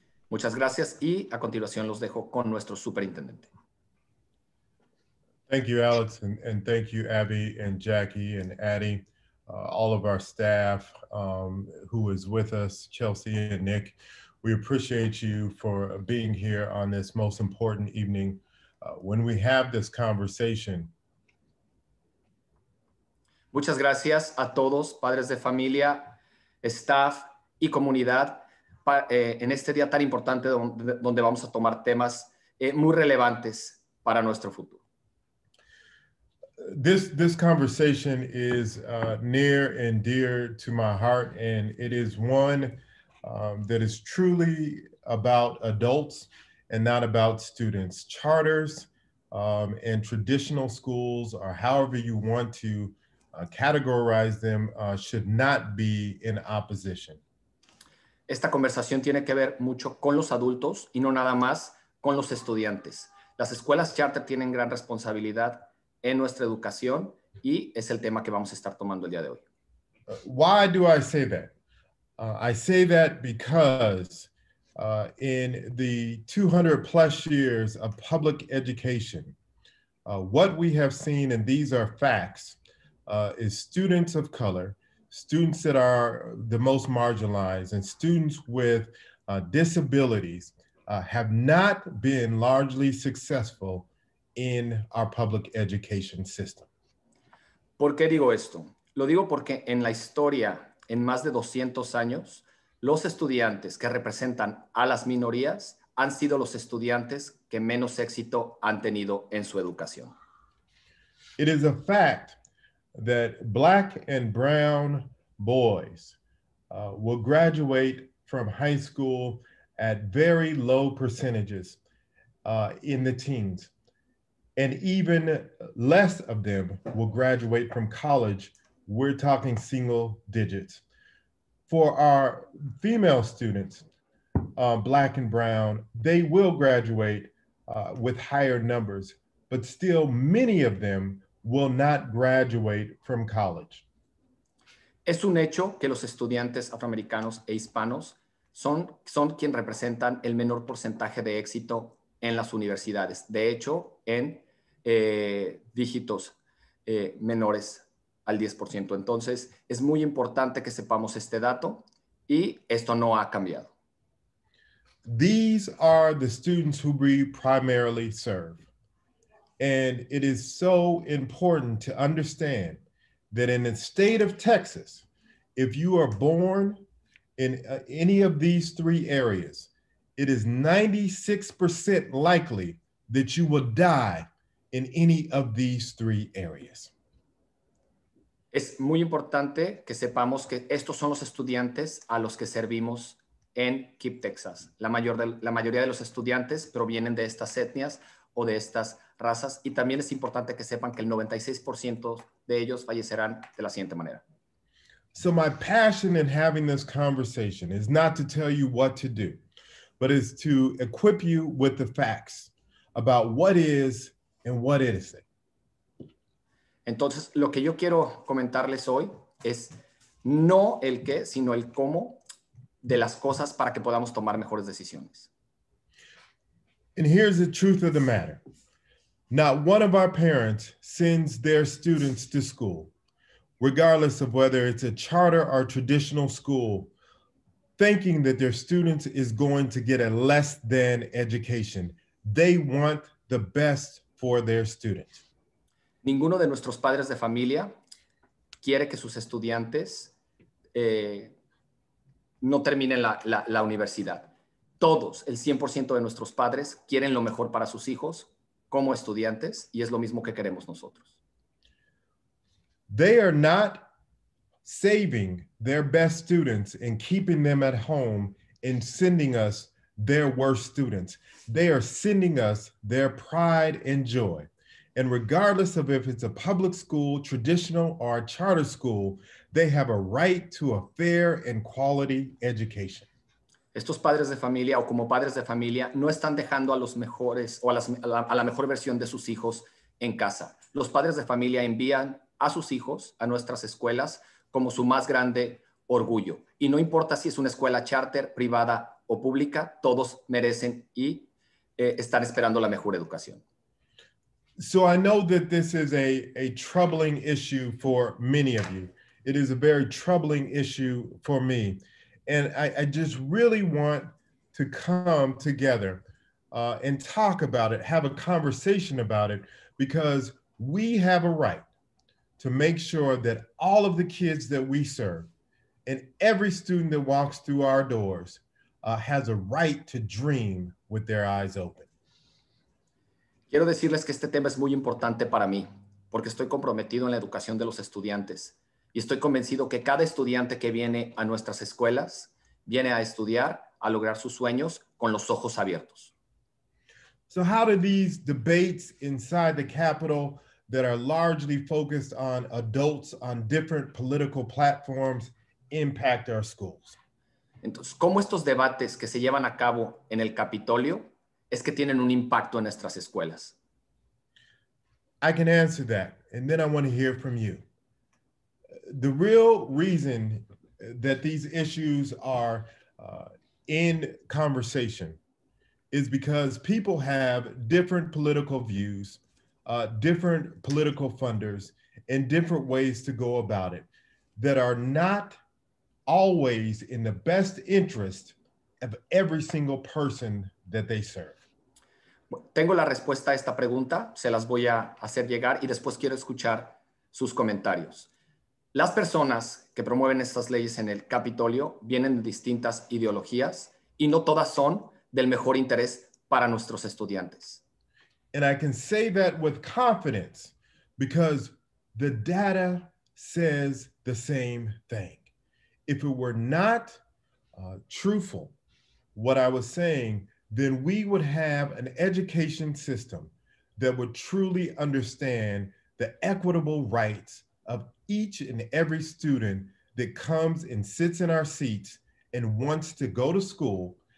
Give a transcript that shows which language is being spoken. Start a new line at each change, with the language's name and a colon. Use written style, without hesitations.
Spanish: Muchas gracias y a continuación los dejo con nuestro superintendente.
English: Thank you, Alex, and thank you, Abby and Jackie and Addie, all of our staff who is with us, Chelsea and Nick. We appreciate you for being here on this most important evening when we have this conversation.
Spanish: Muchas gracias a todos, padres de familia, staff y comunidad, en este día tan importante donde vamos a tomar temas muy relevantes para nuestro futuro.
English: This conversation is near and dear to my heart, and it is one that is truly about adults and not about students. Charters and traditional schools, or however you want to categorize them, should not be in opposition.
Spanish: Esta conversación tiene que ver mucho con los adultos y no nada más con los estudiantes. Las escuelas charter tienen gran responsabilidad en nuestra educación y es el tema que vamos a estar tomando el día de hoy.
English: Why do I say that? I say that because in the 200 plus years of public education, what we have seen, and these are facts, is students of color, students that are the most marginalized, and students with disabilities have not been largely successful in our public education system.
Spanish: ¿Por qué digo esto? Lo digo porque en la historia, en más de 200 años, los estudiantes que representan a las minorías han sido los estudiantes que menos éxito han tenido en su educación.
English: It is a fact that black and brown boys will graduate from high school at very low percentages in the teens. And even less of them will graduate from college. We're talking single digits. For our female students, black and brown, they will graduate with higher numbers, but still many of them will not graduate from college.
Spanish: Es un hecho que los estudiantes afroamericanos e hispanos son quien representan el menor porcentaje de éxito en las universidades. De hecho, en dígitos menores al 10%. Entonces, es muy importante que sepamos este dato y esto no ha cambiado.
English: These are the students who we primarily serve. And it is so important to understand that in the state of Texas, if you are born in any of these three areas, it is 96% likely that you will die in any of these three areas.
Spanish: Es muy importante que sepamos que estos son los estudiantes a los que servimos en KIPP, Texas. La mayoría de los estudiantes provienen de estas etnias o de estas razas. Y también es importante que sepan que el 96% de ellos fallecerán de la siguiente manera.
English: So my passion in having this conversation is not to tell you what to do, but is to equip you with the facts about what is and what isn't.
Spanish: Entonces, lo que yo quiero comentarles hoy es no el qué, sino el cómo de las cosas para que podamos tomar mejores decisiones.
English: And here's the truth of the matter. Not one of our parents sends their students to school, regardless of whether it's a charter or traditional school, thinking that their students is going to get a less than education. They want the best for their students.
Spanish: Ninguno de nuestros padres de familia quiere que sus estudiantes no terminen la universidad. Todos, el 100% de nuestros padres, quieren lo mejor para sus hijos como estudiantes y es lo mismo que queremos nosotros.
English: They are not saving their best students and keeping them at home and sending us their worst students. They are sending us their pride and joy. And regardless of if it's a public school, traditional, or a charter school, they have a right to a fair and quality education.
Spanish: Estos padres de familia o como padres de familia no están dejando a los mejores o a la mejor versión de sus hijos en casa. Los padres de familia envían a sus hijos a nuestras escuelas como su más grande orgullo. Y no importa si es una escuela charter, privada o pública, todos merecen y están esperando la mejor educación.
English: So I know that this is a troubling issue for many of you. It is a very troubling issue for me. And I just really want to come together and talk about it, have a conversation about it, because we have a right to make sure that all of the kids that we serve and every student that walks through our doors has a right to dream with their eyes open.
Spanish: Quiero decirles que este tema es muy importante para mí porque estoy comprometido en la educación de los estudiantes y estoy convencido que cada estudiante que viene a nuestras escuelas viene a estudiar, a lograr sus sueños con los ojos abiertos.
English: So how do these debates inside the Capitol that are largely focused on adults on different political platforms impact our schools?
Spanish: Entonces, ¿cómo estos debates que se llevan a cabo en el Capitolio es que tienen un impacto en nuestras escuelas.
English: I can answer that, and then I want to hear from you. The real reason that these issues are in conversation is because people have different political views, different political funders, and different ways to go about it that are not always in the best interest of every single person that they serve.
Spanish: Tengo la respuesta a esta pregunta, se las voy a hacer llegar y después quiero escuchar sus comentarios. Las personas que promueven estas leyes en el Capitolio vienen de distintas ideologías y no todas son del mejor interés para nuestros estudiantes.
English: And I can say that with confidence because the data says the same thing. If it were not truthful, what I was saying, then we would have an education system that would truly understand the equitable rights of each and every student that comes and sits in our seats and wants to go to school,